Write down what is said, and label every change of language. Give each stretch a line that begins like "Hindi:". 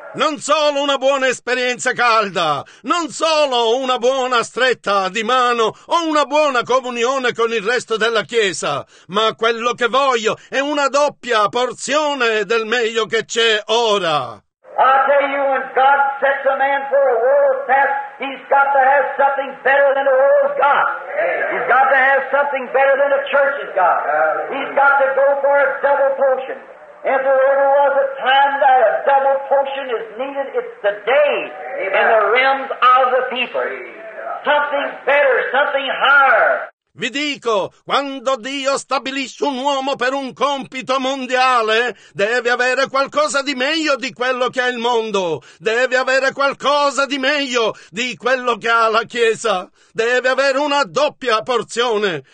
Italian: Non solo una buona esperienza calda, non solo una buona stretta di mano o una buona comunione con il resto della Chiesa, ma quello che voglio è una doppia porzione del meglio che c'è ora.
English: I tell you, when God sets a man for a world task, he's got to have something better than the world's got. He's got to have something better than the church's got. He's got to go for a double potion. If there ever was a time that a double potion is needed, it's today in the realms of the people. Something better, something higher.
Italian: Vi dico, quando Dio stabilisce un uomo per un compito mondiale, deve avere qualcosa di meglio di quello che ha il mondo, deve avere qualcosa di meglio di quello che ha la Chiesa, deve avere una doppia porzione.